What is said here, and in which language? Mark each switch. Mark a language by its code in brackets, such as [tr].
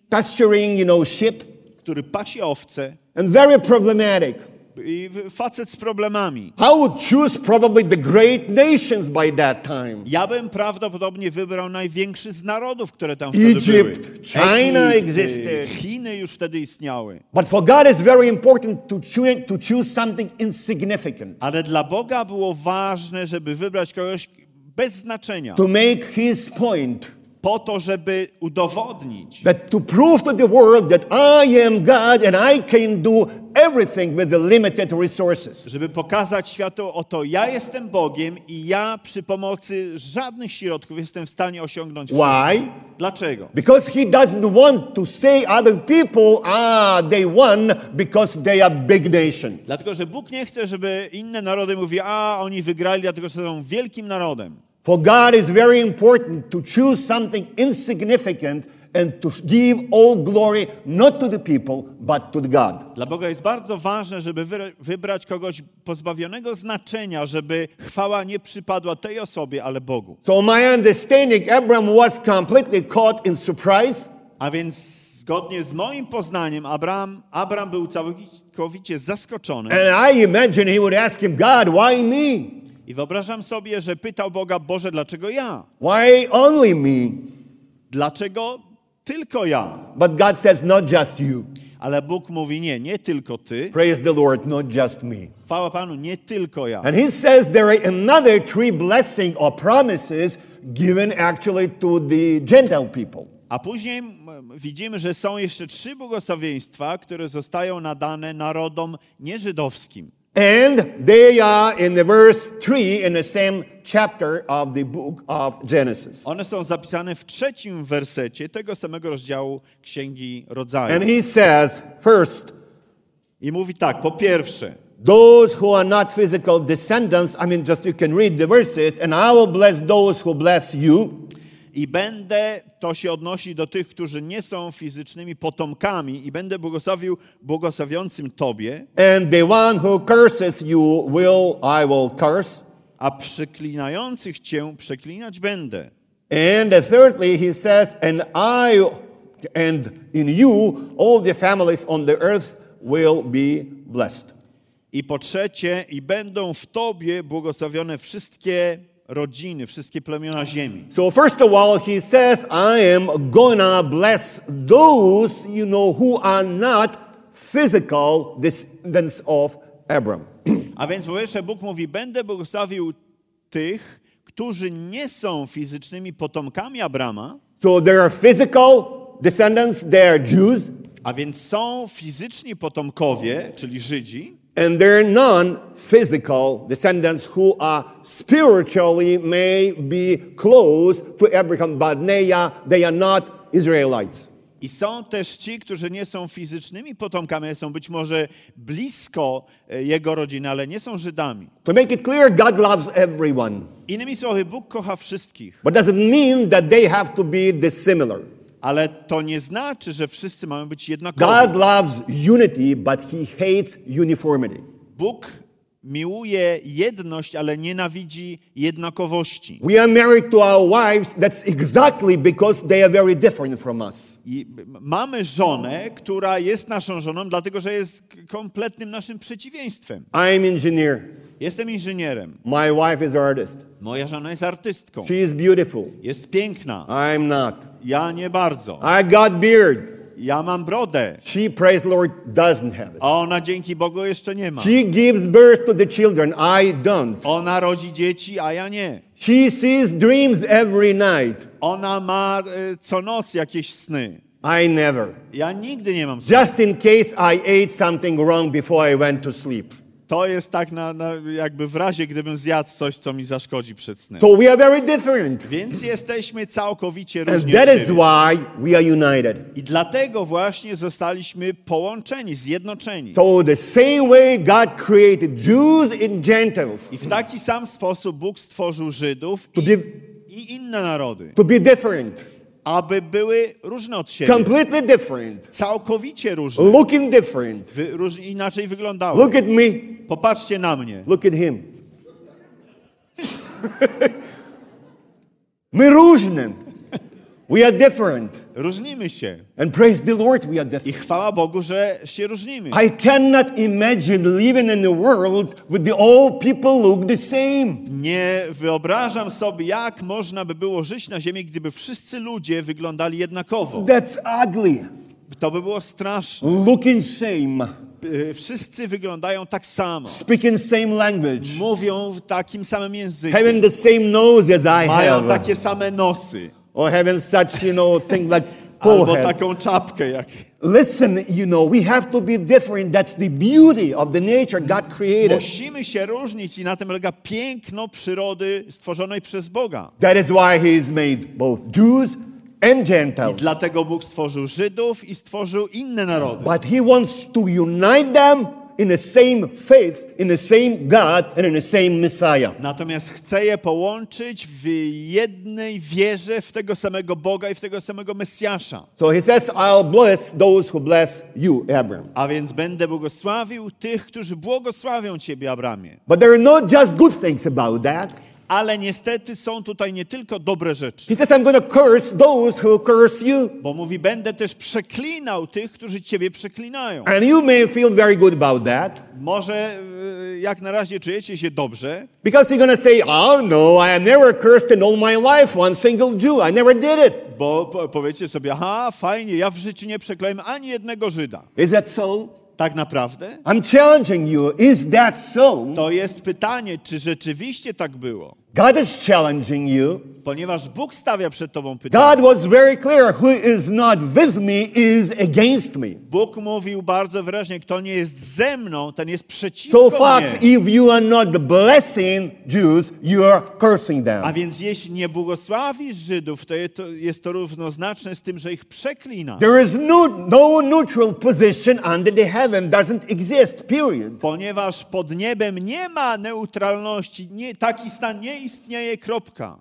[en] Pasturing, you know, sheep. [pl] Który pasie owce. [en] And very problematic. [pl] I facet z problemami. [en] I would choose probably the great nations by that time. [pl] Ja bym prawdopodobnie wybrał największy z narodów, które tam wtedy [en] Egypt, [pl] były. [en] China existed. [pl] Chiny już wtedy istniały. [en] But for God it's very important to choose something insignificant. [pl] Ale dla Boga było ważne, żeby wybrać kogoś bez znaczenia. [en] To make his point. [pl] Po to, żeby udowodnić, [en] that to prove to the world that I am God and I can do everything with the limited resources. [pl] Żeby pokazać światu, oto ja jestem Bogiem i ja przy pomocy żadnych środków jestem w stanie osiągnąć wszystko. [en] Why? [pl] Dlaczego? [en] Because he doesn't want to say other people, they won because they are big nation. [pl] Dlatego, że Bóg nie chce, żeby inne narody mówiły, oni wygrali, dlatego, że są wielkim narodem. [en] For God is very important to choose something insignificant and to give all glory not to the people but to the God. [pl] Dla Boga jest bardzo ważne, żeby wybrać kogoś pozbawionego znaczenia, żeby chwała nie przypadła tej osobie, ale Bogu. [en] So my understanding, Abraham was completely caught in surprise. [pl] A więc zgodnie z moim poznaniem, Abraham był całkowicie zaskoczony. [en] And I imagine he would ask him, God, why me? [pl] I wyobrażam sobie, że pytał Boga, Boże, dlaczego ja? [en] Why only me? [pl] Dlaczego tylko ja? [en] But God says, not just you. [pl] Ale Bóg mówi, nie tylko ty. [en] Praise the Lord, not just me. [pl] Chwała Panu, nie tylko ja. [en] And he says there are another three blessings or promises given actually to the Gentile people. [pl] A później widzimy, że są jeszcze trzy błogosławieństwa, które zostają nadane narodom nieżydowskim. [en] And they are in the verse 3 in the same chapter of the book of Genesis. [pl] One są zapisane w trzecim wersecie tego samego rozdziału Księgi Rodzaju. [en] And he says, first, [pl] i mówi tak, po pierwsze, [en] those who are not physical descendants, I mean just you can read the verses, and I will bless those who bless you. [pl] I będę, to się odnosi do tych, którzy nie są fizycznymi potomkami, i będę błogosławił błogosławiącym tobie. [en] And the one who curses you will, I will curse. [pl] A przeklinających cię przeklinać będę. [en] And thirdly, he says, and in you all the families on the earth will be blessed. [pl] I po trzecie, i będą w tobie błogosławione wszystkie rodziny, wszystkie plemiona ziemi. [en] So first of all, he says, I am gonna bless those, you know, who are not physical descendants of Abram. [pl] A więc po pierwsze Bóg mówi, będę błogosławił tych, którzy nie są fizycznymi potomkami Abrama. [en] So there are physical descendants, they are Jews. [pl] A więc są fizyczni potomkowie, czyli Żydzi. [en] And there are non-physical descendants who are spiritually may be close to Abraham, but they are not Israelites. [pl] I są też ci, którzy nie są fizycznymi potomkami, są być może blisko jego rodziny, ale nie są Żydami. [en] To make it clear, God loves everyone. [pl] Innymi słowy, Bóg kocha wszystkich. [en] But does it mean that they have to be dissimilar? [pl] Ale to nie znaczy, że wszyscy mamy być jednakowi. [en] God loves unity, but he hates uniformity. [pl] Bóg miłuje jedność, ale nienawidzi jednakowości. [en] We are married to our wives, that's exactly because they are very different from us. [pl] I mamy żonę, która jest naszą żoną, dlatego że jest kompletnym naszym przeciwieństwem. [en] I am engineer. [pl] Jestem inżynierem. [en] My wife is artist. [pl] Moja żona jest artystką. [en] She is beautiful. [pl] Jest piękna. [en] I'm not. [pl] Ja nie bardzo. [en] I got beard. [pl] Ja mam brodę. [en] She, praise the Lord, doesn't have it. [pl] A ona dzięki Bogu jeszcze nie ma. [en] She gives birth to the children. I don't. [pl] Ona rodzi dzieci, a ja nie. [en] She sees dreams every night. [pl] Ona ma co noc jakieś sny. [en] I never. [pl] Ja nigdy nie mam snu. [en] Just in case I ate something wrong before I went to sleep. [pl] To jest tak na jakby w razie, gdybym zjadł coś, co mi zaszkodzi przed snem. [en] So we are very different. [pl] Więc jesteśmy całkowicie [en] and [pl] różni. [en] That is why we are united. [pl] I dlatego właśnie zostaliśmy połączeni, zjednoczeni. [en] So the same way God created Jews and Gentiles. [pl] I w taki sam sposób Bóg stworzył Żydów i inne narody. [en] To be different. [pl] Aby były różne od siebie. [en] Completely different. [pl] Całkowicie różne. [en] Looking different. [pl] Inaczej wyglądały. [en] Look at me. [pl] Popatrzcie na mnie. [en] Look at him. [pl] My różne. [en] We are different. [pl] Różnimy się. [en] And praise the Lord, we are different. [pl] I chwała Bogu, że się różnimy. [en] I cannot imagine living in a world where the all people look the same. [pl] Nie wyobrażam sobie, jak można by było żyć na ziemi, gdyby wszyscy ludzie wyglądali jednakowo. [en] That's ugly. [pl] To by było straszne. [en] Looking same. [pl] Wszyscy wyglądają tak samo. [en] Speaking same language. [pl] Mówią w takim samym języku. [en] Having the same nose as I have. [pl] Mają takie same nosy. [en] Or having such, you know, thing like Paul [pl] albo [en] has. [pl] Taką czapkę jak. [en] Listen, you know, we have to be different. That's the beauty of the nature God created. [pl] Musimy się różnić i na tym polega piękno przyrody stworzonej przez Boga. [en] That is why He has made both Jews and Gentiles. [pl] I dlatego Bóg stworzył Żydów i stworzył inne narody. [en] But He wants to unite them in the same faith, in the same God, and in the same Messiah. [pl] Natomiast chcę je połączyć w jednej wierze w tego samego Boga i w tego samego Mesjasza. [en] So he says, I'll bless those who bless you, Abraham. [pl] A więc będę błogosławił tych, którzy błogosławią ciebie, Abramie. [en] But there are not just good things about that. [pl] Ale niestety są tutaj nie tylko dobre rzeczy. [en] He says, I'm going to curse those who curse you. [pl] Bo mówi, będę też przeklinał tych, którzy ciebie przeklinają. [en] And you may feel very good about that. [pl] Może jak na razie czujecie się dobrze. [en] Because you're going to say, oh no, I never cursed in all my life one single Jew. I never did it. [pl] Bo powiecie sobie, aha, fajnie, ja w życiu nie przekleiłem ani jednego Żyda. [en] Is that so? [pl] Tak naprawdę? [en] I'm challenging you. Is that so? [pl] To jest pytanie, czy rzeczywiście tak było? [en] God is challenging you. [pl] Ponieważ Bóg stawia przed tobą pytanie. [en] God was very clear. Who is not with me is against me. [pl] Bóg mówił bardzo wyraźnie, kto nie jest ze mną, ten jest przeciwko [en] so, [pl] mnie. [en] So folks, if you are not blessing Jews, you are cursing them. [pl] A więc jeśli nie błogosławisz Żydów, to jest to równoznaczne z tym, że ich przeklinasz. [en] There is no neutral position under the heaven. Doesn't exist, period. [pl] Ponieważ pod niebem nie ma neutralności, nie, taki stan nie istnieje, kropka.